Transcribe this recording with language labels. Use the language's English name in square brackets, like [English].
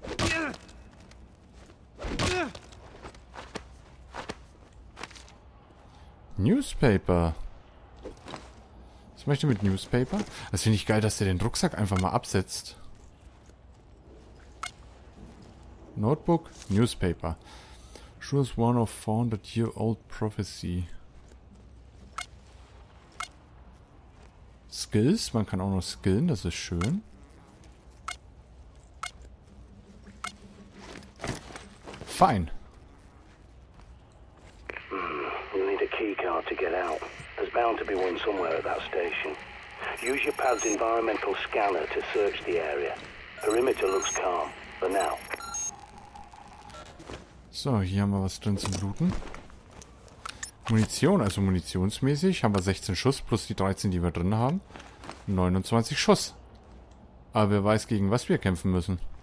[German] Yeah. Newspaper. Was möchte mit Newspaper? Das finde ich geil, dass der den Rucksack einfach mal absetzt. [English] Notebook, Newspaper. Sure is one of 400-year-old prophecy. [German] Skills, man kann auch noch skillen, das ist schön. Fein. [English] You'll need a key card to get out. There's bound to be one somewhere at that station. Use your pad's environmental scanner to search the area. Perimeter looks calm, for now. [German] So, hier haben wir was drin zum Looten. Munition, also munitionsmäßig haben wir 16 Schuss plus die 13, die wir drin haben. 29 Schuss. Aber wer weiß, gegen was wir kämpfen müssen.